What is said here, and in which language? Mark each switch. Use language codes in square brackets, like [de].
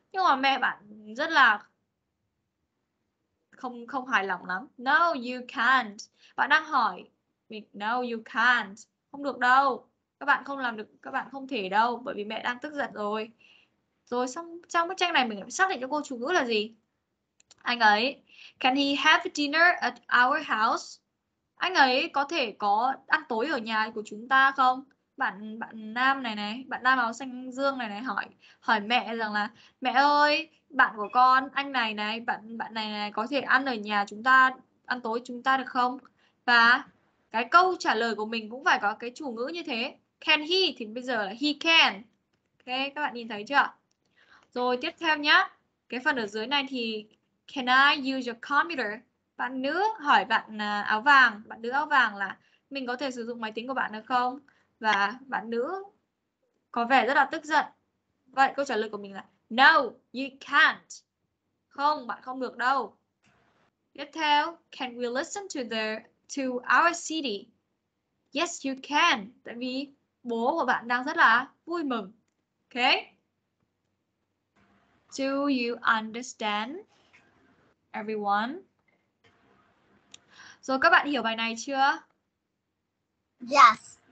[vi] Nhưng mà mẹ bạn rất là không không hài lòng lắm. [en] No, you can't. [vi] Bạn đang hỏi mình, [en] no, you can't. [vi] Không được đâu. Các bạn không làm được, các bạn không thể đâu. Bởi vì mẹ đang tức giận rồi. Rồi xong, trong bức tranh này mình xác định cho cô chủ ngữ là gì? Anh ấy, [en] can he have dinner at our house? [vi] Anh ấy có thể có ăn tối ở nhà của chúng ta không? Bạn nam áo xanh dương này này hỏi hỏi mẹ rằng là mẹ ơi, bạn của con anh này này, bạn bạn này này có thể ăn ở nhà chúng ta, ăn tối chúng ta được không? Và cái câu trả lời của mình cũng phải có cái chủ ngữ như thế. [en] Can he [vi] thì bây giờ là [en] he can. [vi] Ok, các bạn nhìn thấy chưa? Rồi tiếp theo nhá. Cái phần ở dưới này thì [en] can I use your computer? [vi] Bạn nữ hỏi bạn nữ áo vàng là mình có thể sử dụng máy tính của bạn được không? Và bạn nữ có vẻ rất là tức giận. Vậy câu trả lời của mình là [en] no, you can't. [vi] Không, bạn không được đâu. Tiếp theo, [en] can we listen to our CD? Yes, you can. [vi] Tại vì bố của bạn đang rất là vui mừng. Ok? [en] Do you understand, everyone? [vi] Rồi các bạn hiểu bài này chưa? [en] Yes.